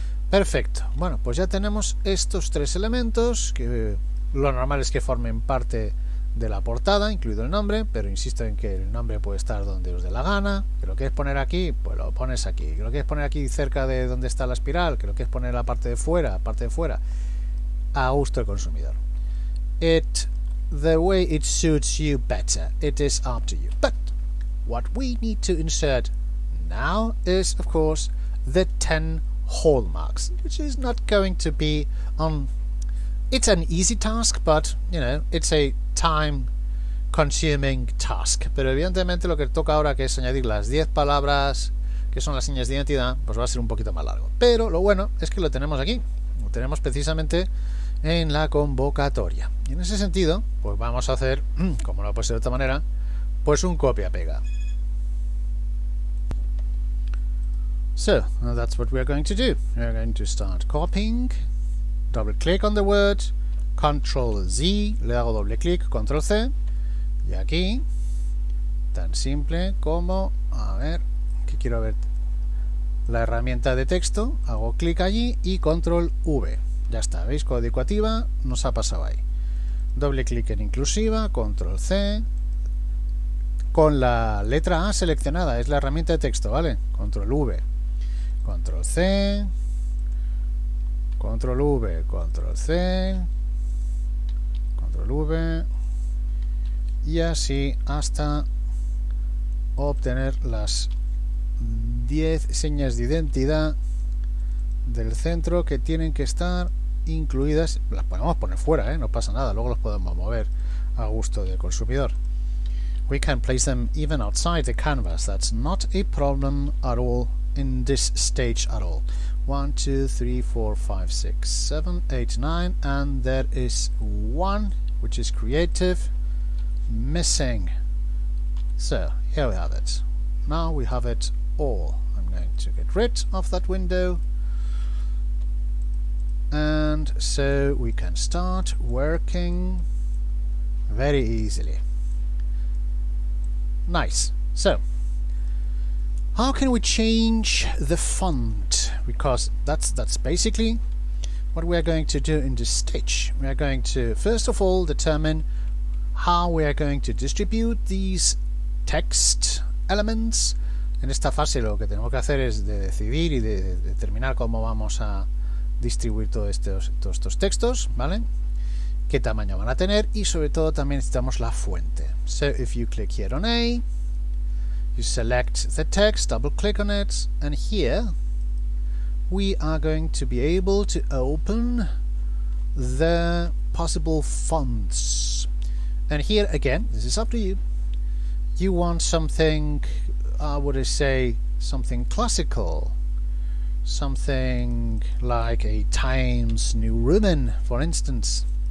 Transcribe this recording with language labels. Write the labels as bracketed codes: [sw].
[es] Perfecto, bueno, pues ya tenemos estos tres elementos, que lo normal es que formen parte de la portada, incluido el nombre, pero insisto en que el nombre puede estar donde os dé la gana, que lo quieres poner aquí, pues lo pones aquí, que lo quieres poner aquí cerca de donde está la espiral, que lo quieres poner en la parte de fuera, a gusto del consumidor. [en] The way it suits you better, it is up to you. But what we need to insert now is, of course, the 10 hallmarks, which is not going to be it's an easy task, but you know, it's a time consuming task. [es] Pero evidentemente lo que toca ahora que es añadir las 10 palabras que son las señas de identidad, pues va a ser un poquito más largo. Pero lo bueno es que lo tenemos aquí, lo tenemos precisamente en la convocatoria. Y en ese sentido, pues vamos a hacer, como lo he puesto de otra manera, pues un copia-pega. [en] So, that's what we are going to do. We are going to start copying. Double click on the word. [es] Control Z. Le hago doble clic. Control C. Y aquí. Tan simple como. A ver. Que quiero ver. La herramienta de texto. Hago clic allí. Y control V. Ya está. ¿Veis? Código ecuativa. Nos ha pasado ahí. Doble clic en inclusiva. Control C. Con la letra A seleccionada. Es la herramienta de texto. ¿Vale? Control V. Control C, control V, control C, control V, y así hasta obtener las 10 señas de identidad del centro que tienen que estar incluidas. Las podemos poner fuera, no pasa nada, luego las podemos mover a gusto del consumidor. [en] We can place them even outside the canvas, that's not a problem at all. In this stage at all. 1, 2, 3, 4, 5, 6, 7, 8, 9, and there is one, which is creative, missing. So, here we have it. Now we have it all. I'm going to get rid of that window. And so we can start working very easily. Nice. So, how can we change the font? Because that's basically what we are going to do in this stitch. We are going to, first of all, determine how we are going to distribute these text elements. [es] En esta fase lo que tenemos que hacer es de decidir y de determinar cómo vamos a distribuir todos estos textos, ¿vale? Qué tamaño van a tener y sobre todo también necesitamos la fuente. [en] So if you click here on A, you select the text, double click on it, and here we are going to be able to open the possible fonts. And here again, this is up to you. You want something, I would say, something classical, something like a Times New Roman, for instance.